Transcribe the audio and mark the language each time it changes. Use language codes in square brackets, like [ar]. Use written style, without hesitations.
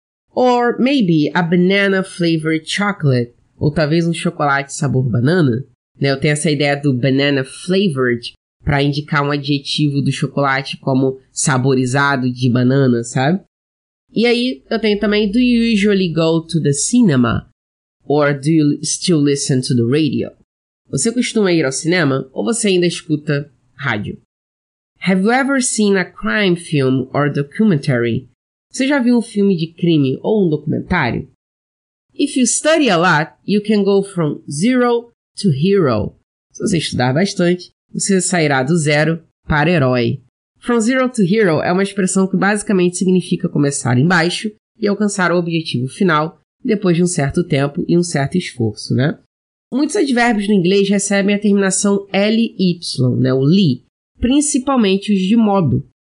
[en] Or maybe a banana flavored chocolate, [pt] ou talvez um chocolate sabor banana. Né? Eu tenho essa ideia do banana flavored para indicar um adjetivo do chocolate como saborizado de banana, sabe? E aí, eu tenho também, [en] do you usually go to the cinema? Or do you still listen to the radio? [pt] Você costuma ir ao cinema ou você ainda escuta rádio? [en] Have you ever seen a crime film or documentary? [pt] Você já viu um filme de crime ou um documentário? [en] If you study a lot, you can go from zero to hero. [pt] Se você estudar bastante, você sairá do zero para herói. [en] From zero to hero [pt] é uma expressão que basicamente significa começar embaixo e alcançar o objetivo final depois de um certo tempo e um certo esforço, né? Muitos advérbios no inglês recebem a terminação L-Y, né, o li, principalmente os de modo.